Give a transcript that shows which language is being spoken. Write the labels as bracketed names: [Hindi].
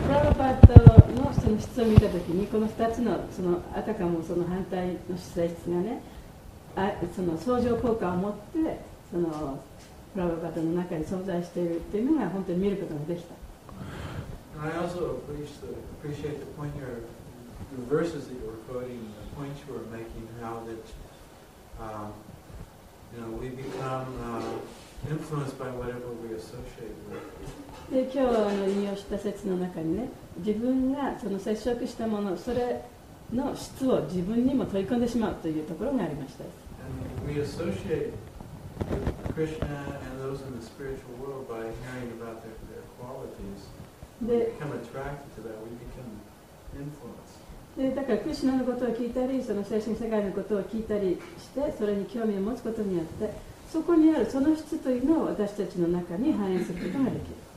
[Japanese] プラヴァパッドのその質を見たときに、この2つの、その、あたかもその反対の質がね、あ、その相乗効果を持って、その、プラヴァパッドの中に存在しているっていうのが、本当に見ることができた。 [English] And I also appreciate the point here. The verses that you were quoting, the point you were making, how that you know, we become influenced by whatever we associate with. [Japanese] で今日の引用した説の中にね、自分がその接触したもの、それの質を自分にも取り込んでしまうというところがありました。 [English] And we associate with Krishna and those in the spiritual world by hearing about their qualities. We become attracted to that. We become influenced. [Japanese] で、だからクリシュナのことを聞いたり、その精神世界のことを聞いたりして、それに興味を持つことによって、そこにあるその質というのを私たちの中に反映することができる。